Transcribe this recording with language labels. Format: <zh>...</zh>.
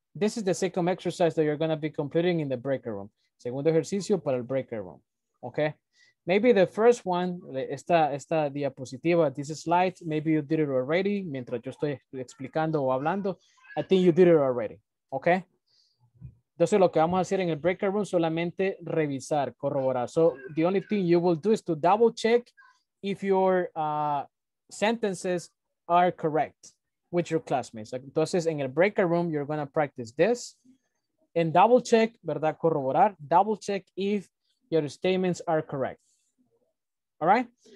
<en>This is the second exercise that you're going to be completing in the breaker room.</en> <es>Segundo ejercicio para el breaker room,</es> <en>okay? Maybe the first one,</en> <es>esta diapositiva,</es> <en>this slide, maybe you did it already,</en> <es>mientras yo estoy explicando o hablando,</es> <en>I think you did it already, okay?</en> <es>Entonces lo que vamos a hacer en el breaker room, solamente revisar, corroborar.</es> <en>So the only thing you will do is to double check if your sentences are correct with your classmates.</en> <es>Entonces en el breaker room,</es> <en>you're gonna practice this, and double check,</en> <es>¿verdad? Corroborar,</es> <en>double check if your statements are correct. All right?</en>